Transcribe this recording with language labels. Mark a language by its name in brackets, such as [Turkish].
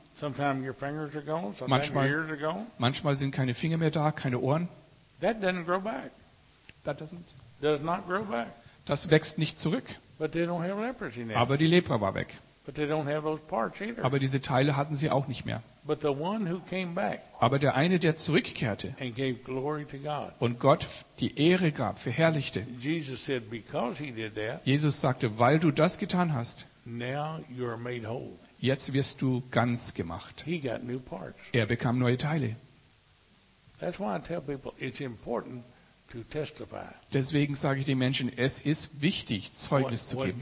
[English] Sometimes your fingers are gone, sometimes your ears are gone. [German] Manchmal sind keine Finger mehr da, keine Ohren. [English] That doesn't grow back. That doesn't. Does not grow back. [German] Das wächst nicht zurück. [English] But they don't have leprosy now. [German] Aber die Lepra war weg. [English] But they don't have those parts either. [German] Aber diese Teile hatten sie auch nicht mehr. [English] But the one who came back, [German] aber der eine, der zurückkehrte [English] and gave glory to God, [German] und Gott die Ehre gab, verherrlichte. [English] Jesus said, because he did that, [German] Jesus sagte, weil du das getan hast, [English] now you are made whole. [German] Jetzt wirst du ganz gemacht. [English] He got new parts. [German] Er bekam neue Teile. [English] That's why I tell people, it's important to testify. [German] Deswegen sage ich den Menschen, es ist wichtig, Zeugnis zu geben,